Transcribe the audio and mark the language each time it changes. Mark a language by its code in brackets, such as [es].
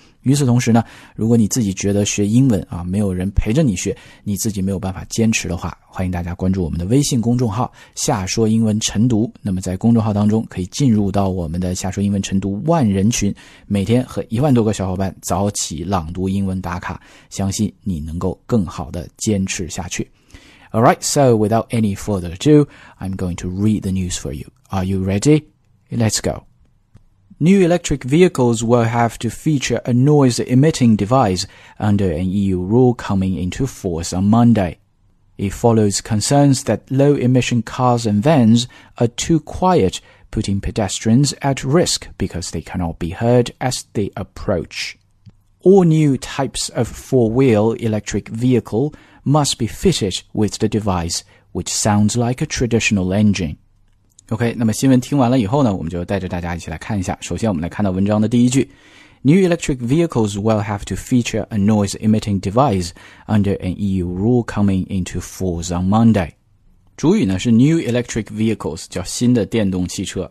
[zh] 与此同时呢，如果你自己觉得学英文啊，没有人陪着你学，你自己没有办法坚持的话，欢迎大家关注我们的微信公众号夏说英文晨读。那么在公众号当中可以进入到我们的夏说英文晨读万人群，每天和10000多个小伙伴早起朗读英文打卡，相信你能够更好的坚持下去。 [en] Alright, so without any further ado, I'm going to read the news for you. Are you ready? Let's go. New electric vehicles will have to feature a noise-emitting device under an EU rule coming into force on Monday. It follows concerns that low-emission cars and vans are too quiet, putting pedestrians at risk because they cannot be heard as they approach. All new types of four-wheel electric vehicle must be fitted with the device, which sounds like a traditional engine. [zh] OK, 那么新闻听完了以后呢，我们就带着大家一起来看一下。首先我们来看到文章的第一句。 [en] New electric vehicles will have to feature a noise-emitting device under an EU rule coming into force on Monday. [zh] 主语呢是 [en] new electric vehicles, [zh] 叫新的电动汽车。